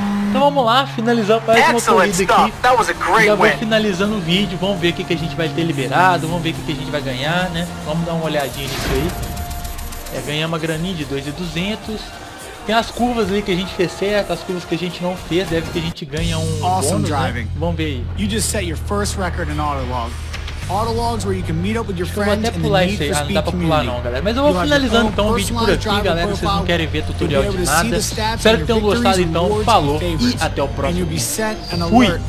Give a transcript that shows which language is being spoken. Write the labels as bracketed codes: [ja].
[pt] Então vamos lá, finalizar mais uma corrida aqui. Já vou finalizando o vídeo. Vamos ver o que a gente vai ter liberado. Vamos ver o que a gente vai ganhar, né? Vamos dar uma olhadinha nisso aí. É, ganhar uma graninha de 2.200. Tem as curvas ali que a gente fez certo, as curvas que a gente não fez, deve que a gente ganha um awesome bônus, driving. Né? Vamos ver aí. [en] You just set your first record in Autolog. Autolog's where you can meet up with your friends and the Need for Speed community. [pt] Não dá pra pular não, galera. Mas eu vou finalizando então o vídeo por aqui, galera. Vocês não querem ver tutorial de nada. Espero que tenham gostado então. Falou e até o próximo vídeo. Fui!